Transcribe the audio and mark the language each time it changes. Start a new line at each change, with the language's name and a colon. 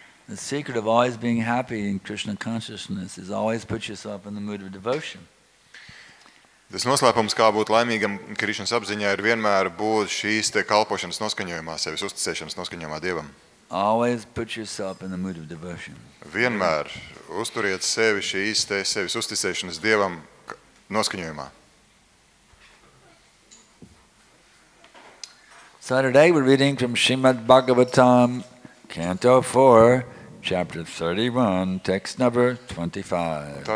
English: The secret of always being happy in Krishna consciousness is always put yourself in the mood of devotion.
Latvian: Tas noslēpums, kā būt laimīgam Krišnas apziņā, ir vienmēr būt šīs te kalpošanas noskaņojumā, sevis uzticēšanas noskaņojumā Dievam.
English: Always put yourself in the mood of devotion.
Latvian: Vienmēr uzturiet sevi šīs te sevis uzticēšanas Dievam noskaņojumā.
English: So today we're reading from Srimad Bhagavatam, Canto 4, Chapter 31, text number 25.